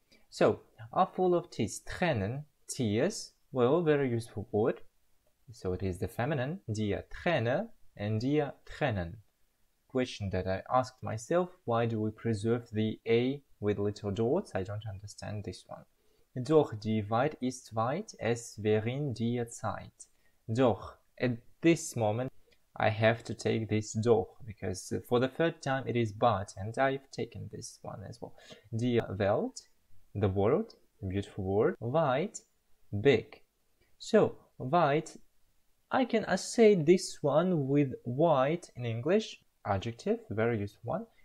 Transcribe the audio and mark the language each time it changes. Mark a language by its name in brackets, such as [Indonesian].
[English] So, are full of tears, Tränen, tears, well, very useful word. So it is the feminine, die Träne, and die Tränen. Question that I asked myself, why do we preserve the A with little dots? I don't understand this one. [German] Doch die Welt ist weit, es während die Zeit. [English] Doch, at this moment, I have to take this doch, because for the third time it is but, and I've taken this one as well. Die Welt. The world, beautiful word, weit, big. So, weit, I can say this one with white in English, adjective, very useful one.